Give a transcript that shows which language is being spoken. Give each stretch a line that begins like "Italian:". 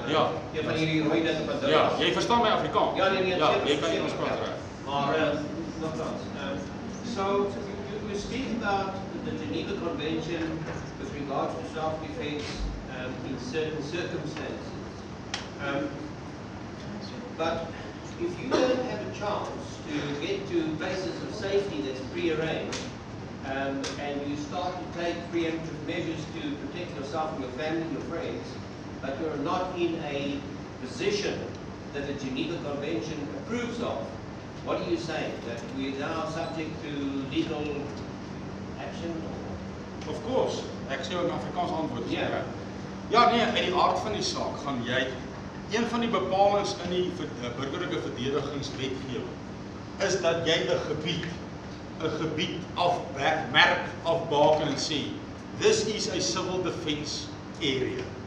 Afrikaans: Ja. Jy verstaan my Afrikaans. Ja, nee, ja, jy kan Engels praat. Maar, nogthans.
English: So, we speak about the Geneva Convention with regards to self-defense in certain circumstances. But if you don't have a chance to get to places of safety that's pre-arranged, and you start to take preemptive measures to protect yourself and your family and your friends, but you're not in a position that the Geneva Convention approves of, what are you saying? That we are now subject to legal action? Of course.
Afrikaans: Ek sê ook in Afrikaans antwoord. Ja, nee, in die aard van die saak gaan jy, een van die bepalings in die burgerlike verdedigingswetgewing is dat jy een gebied afmerk, afbaken en sê,
English: this is a civil defense area.